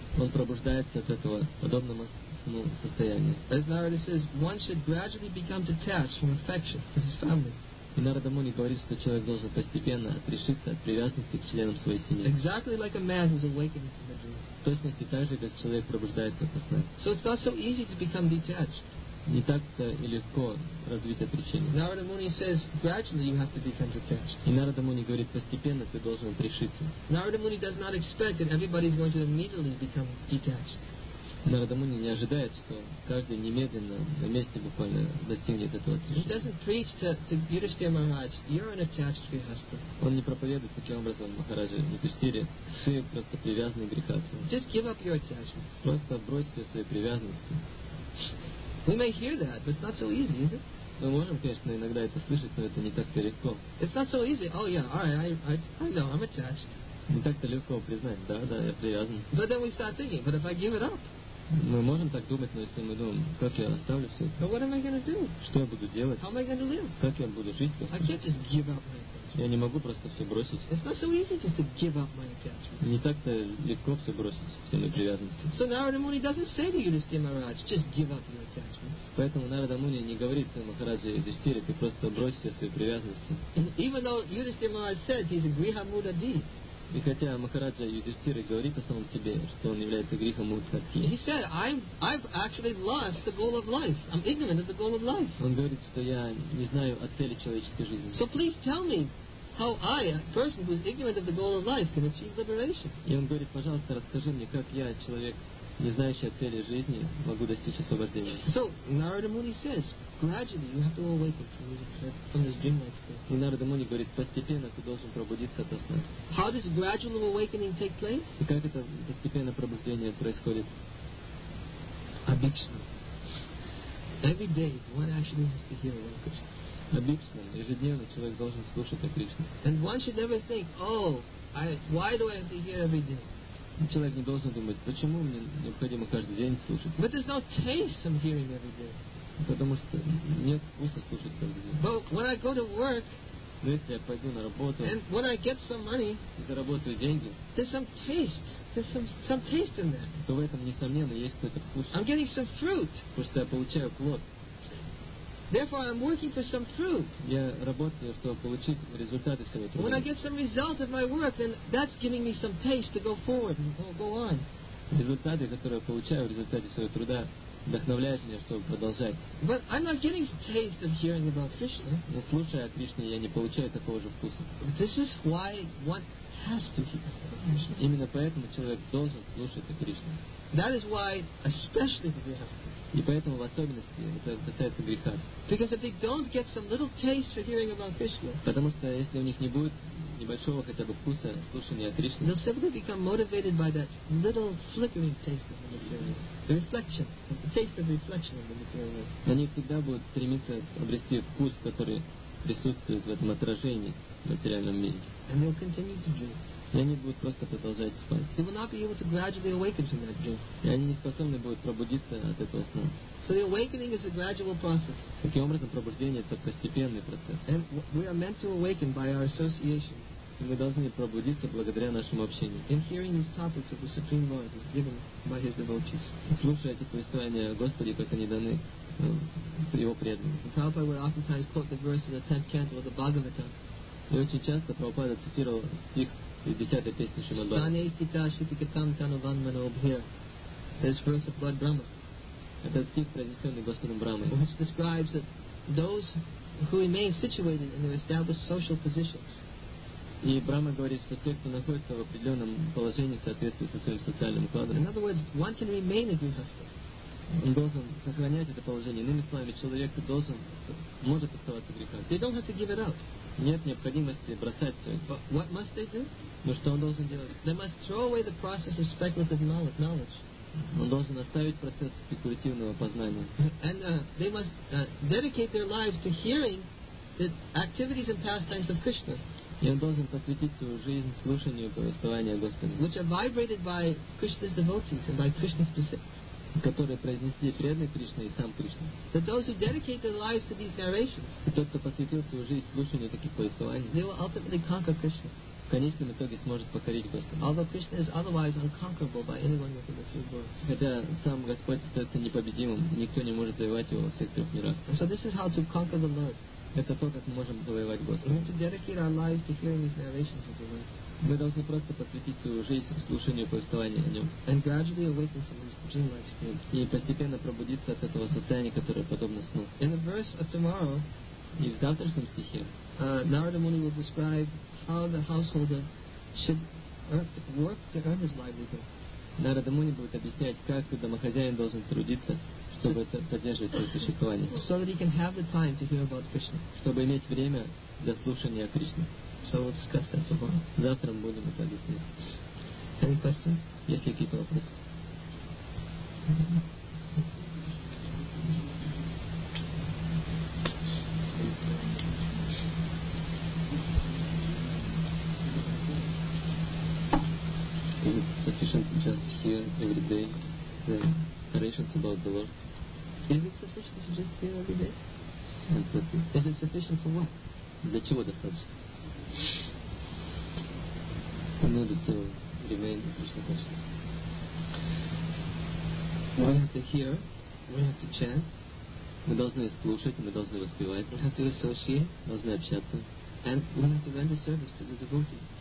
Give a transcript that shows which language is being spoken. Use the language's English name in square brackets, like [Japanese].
[Russian] Он пробуждается от этого подобного сну состояния. [English] As Narada says, one should gradually become detached from affection for his family. [Russian] И Нарада Муни говорит, что человек должен постепенно отрешиться от привязанности к членам своей семьи. [English] Exactly like a man who's awakening from a dream. [Russian] Точно так же, как человек пробуждается от сна. [English] So it's not so easy to become detached. [Russian] Не так-то и легко развить отречение. [English] Narada Muni says, gradually you have to become detached. [Russian] И Нарада Муни говорит, постепенно ты должен отрешиться. [English] Narada Muni does not expect that everybody is going to immediately become detached. [Russian] Нарада Муни не ожидает, что каждый немедленно, на месте буквально достигнет этого отречения. [English] He doesn't preach to Yudhishthira Maharaj, you're an attached grihastha. [Russian] Он не проповедует таким образом Махараджа Юдхиштхире, ты просто привязанный к грихастху. [English] Just give up your attachment. [Russian] Просто брось все свои привязанности. [English] We may hear that, but it's not so easy, is it? [Russian] Мы можем, конечно, иногда это слышать, но это не так-то легко. [English] It's not so easy. Oh yeah, all right, I know, I'm attached. [Russian] Не так-то легко признать, да, я привязан. [English] But then we start thinking, but if I give it up? [Russian] Мы можем так думать, но если мы думаем, как я оставлю все это? [English] But what am I going to do? [Russian] Что я буду делать? [English] How am I going to live? [Russian] Как я буду жить? [English] I can't just give up my attachment. [Russian] Я не могу просто все бросить. [English] It's not so easy just to give up my attachment. [Russian] Не так-то легко все бросить, все мои привязанности. [English] So Narada Muni doesn't say to Yudhishthira Maharaj, just give up your attachment. [Russian] Поэтому Нарада Муни не говорит Махараджу Юдхиштхире, ты просто брось все свои привязанности. [English] And even though Yudhishthira Maharaj said he's a Griha Mudadi. [Russian] И хотя Махараджа Юдхиштхира говорит о самом себе, что он является грихом мудхатхи. [English] He said, I've actually lost the goal of life. I'm ignorant of the goal of life. [Russian] Он говорит, что я не знаю о цели человеческой жизни. [English] So please tell me how I, a person who is ignorant of the goal of life, can achieve liberation. [Russian] И он говорит, пожалуйста, расскажи мне, как я, человек, не знающий о цели жизни, могу достичь освобождения. [English] So Narada Muni says, gradually you have to awaken from this dreamlike state. [Russian] И Нарада Муни говорит, постепенно ты должен пробудиться от сна. [English] How does gradual awakening take place? [Russian] И как это постепенное пробуждение происходит? [Sanskrit] Abhikshana. [English] Every day one actually has to hear about Krishna. [Sanskrit] Abhikshana. [Russian] Ежедневно человек должен слушать о Кришне. [English] And one should never think, why do I have to hear every day? [Russian] Человек не должен думать, почему мне необходимо каждый день слушать. [English] But there's no taste I'm hearing every day. [Russian] Потому что нет вкуса слушать каждый день. [English] But when I go to work, [Russian] но если я пойду на работу, [English] and when I get some money, [Russian] и заработаю деньги, [English] there's some taste. There's some taste in that. [Russian] То в этом, несомненно, есть какой-то вкус. [English] I'm getting some fruit. [Russian] Потому что я получаю плод. [English] Therefore, I'm working for some fruit. [Russian] Я работаю, чтобы получить результаты своей работы. [English] When I get some result of my work, then that's giving me some taste to go forward and go on. [Russian] Результаты, которые я получаю в результате своего труда, вдохновляют меня, чтобы продолжать. [English] But I'm not getting taste of hearing about Krishna. [Russian] Но слушая о Кришне, я не получаю такого же вкуса. [English] This is why one has to hear Krishna. [Russian] Именно поэтому человек должен слушать о Кришне. [English] That is why, especially the Griha. [Russian] И поэтому в особенности это касается грехас. [English] Because if they don't get some little taste for hearing about Krishna. [Russian] Потому что если у них не будет небольшого хотя бы вкуса слушания о Кришне. [English] They'll simply become motivated by that little flickering taste of the material. The reflection. The taste of reflection of the material. [Russian] Они всегда будут стремиться обрести вкус, который присутствует в этом отражении в материальном мире. [English] And they'll continue to do. [Russian] И они будут просто продолжать спать. [English] They will not be able to gradually awaken from that dream. [Russian] И они не способны будут пробудиться от этого сна. [English] So the awakening is a gradual process. [Russian] Таким образом, пробуждение — это постепенный процесс. [English] And we are meant to awaken by our association. [Russian] И мы должны пробудиться благодаря нашему общению. [English] In hearing these topics of the Supreme Lord is given by his devotees. [Russian] Слушая эти повествования о Господе, как они даны его преданным. [English] Prabhupada would oftentimes quote the verse of the 10th canto of the Bhagavatam. [Russian] И очень часто Прабхупада цитировал стих из 10-й песни Шримад-Бхагаватам. [Sanskrit] Стане хита шитикатам тану ванмана обхир. [English] This verse of Lord Brahma. [Russian] Этот стих, произнесенный Господом Брахмой. [English] Which describes that those who remain situated in their established social positions. [Russian] И Брама говорит, что те, кто находится в определенном положении, соответствует со своим социальным укладом. [English] In other words, one can remain a grihastha. [Russian] Он должен сохранять это положение. Иными словами, человек должен, может оставаться грехастхой. [English] They don't have to give it up. [Russian] Нет необходимости бросать все. [English] But what must they do? [Russian] Ну что он должен делать? [English] They must throw away the process of speculative knowledge. [Russian] Он должен оставить процесс спекулятивного познания. [English] And they must dedicate their lives to hearing the activities and pastimes of Krishna. [Russian] И он должен посвятить свою жизнь слушанию повествования о Господе. [English] Which are vibrated by Krishna's devotees and by Krishna's precepts. [Russian] Которые произнесли преданные Кришне и сам Кришна. [English] That those who dedicate their lives to these narrations. [Russian] И тот, кто посвятил свою жизнь слушанию таких повествований. [English] They will ultimately conquer Krishna. [Russian] В конечном итоге сможет покорить Господа. [English] Although Krishna is otherwise unconquerable by anyone within the three worlds. [Russian] Хотя сам Господь остается непобедимым, и никто не может завоевать его во всех трех мирах. [English] So this is how to conquer the Lord. [Russian] Это то, как мы можем завоевать Господа. [English] We have to dedicate our lives to hearing his narrations of the Lord. [Russian] Мы должны просто посвятить свою жизнь слушанию повествования о нем. [English] And gradually awaken from this dreamlike state. [Russian] И постепенно пробудиться от этого состояния, которое подобно сну. [English] In the verse of tomorrow. [Russian] И в завтрашнем стихе. [English] Narada Muni will describe how the householder should work to earn his livelihood. [Russian] Narada Muni будет объяснять, как домохозяин должен трудиться, чтобы поддерживать свое существование. [English] So that he can have the time to hear about Krishna. [Russian] Чтобы иметь время для слушания о Кришне. [English] So we'll discuss that tomorrow. [Russian] Завтра мы будем это объяснять. [English] Any questions? [Russian] Есть ли какие-то вопросы? [English] Is it sufficient to just hear every day the narrations about the Lord? Is it sufficient to just hear every day? Is it sufficient for what? [Russian] Для чего достаточно? [English] In order to remain the Krishna consciousness. We have to hear, we have to chant. [Russian] Мы должны слушать, мы должны воспевать. [English] We have to associate. [Russian] Мы должны общаться. [English] And we have to render service to the devotee.